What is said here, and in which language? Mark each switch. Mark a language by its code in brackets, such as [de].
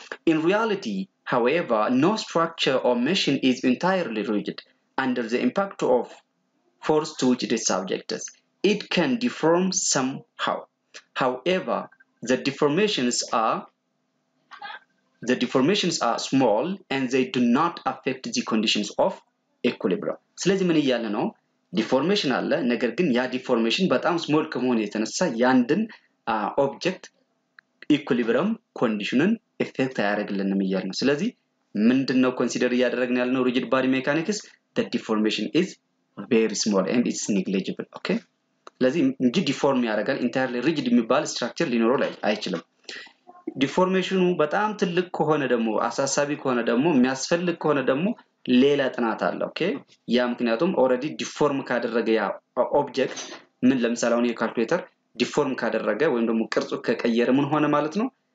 [en] ኢን ሪያሊቲ ሃውኤቨር ኖ ስትራክቸር ኦር ማሽን ኢዝ ኢንታይርሊ ሪጅድ አንደር ዘ ኢምፓክት ኦፍ ፎርስ ቱ ዊች ኢት ኢዝ ሰብጀክትድ ኢት ካን ዲፎርም ሰም ሃውኤቨር ዘ ዲፎርሜሽንስ አር The deformations are small and they do not affect the conditions of equilibrium. [am] ስለዚህ ምን ይያለ ነው? deformation አለ ነገር ግን ያ deformation በጣም small ከመሆኑ የተነሳ ያንድን object equilibrium conditionን effect አያደርግልንም ይያለ ነው። ስለዚህ ምንድነው consider ያደረግን ያለ ነው rigid body mechanics [en] the deformation is very small and it's negligible. Okay? [am] ስለዚህ እንጂ deform ያደርጋል entirely rigid የሚባል structure ሊኖረው አይችልም። ዲፎርሜሽኑ በጣም ትልቅ ከሆነ ደግሞ አሳሳቢ ከሆነ ደግሞ የሚያስፈልግ ከሆነ ደግሞ ሌላ ጥናት አለ። ኦኬ? ያ ምክንያቱም ኦሬዲ ዲፎርም ካደረገ ያ ኦብጀክት ምን ለምሳሌ አሁን የካልኩሌተር ዲፎርም ካደረገ ወይንም ደግሞ ቅርጹ ከቀየረ ምን ሆነ ማለት ነው?